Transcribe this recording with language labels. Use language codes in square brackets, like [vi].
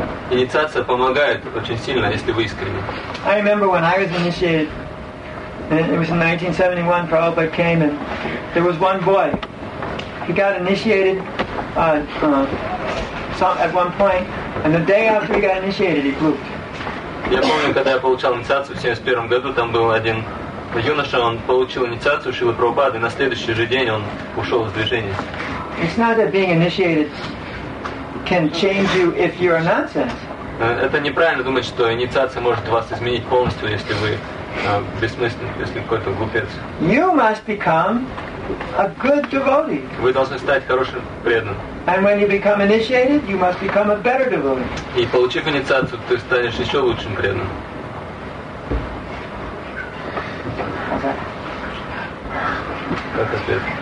[ru] Инициация помогает очень сильно, если вы искренны. [en] I remember when I was initiated, it was in 1971, Prabhupada came, and there was one boy. He got initiated at one point, and the day after he got initiated, he pooped. [ru] Я помню, когда я получал инициацию в 71 году, там был один юноша, он получил инициацию Шрилы Прабхупады, и на следующий же день он ушел из движения. [en] It's not that being initiated can change you if you're a nonsense. [ru] Это неправильно думать, что инициация может вас изменить полностью, если вы бессмысленный, если какой-то глупец. [en] You must become a good devotee. [ru] Вы должны стать хорошим преданным. [en] And when you become initiated, you must become a better devotee. [ru] И получив инициацию, ты станешь еще лучшим преданным. Как ответ?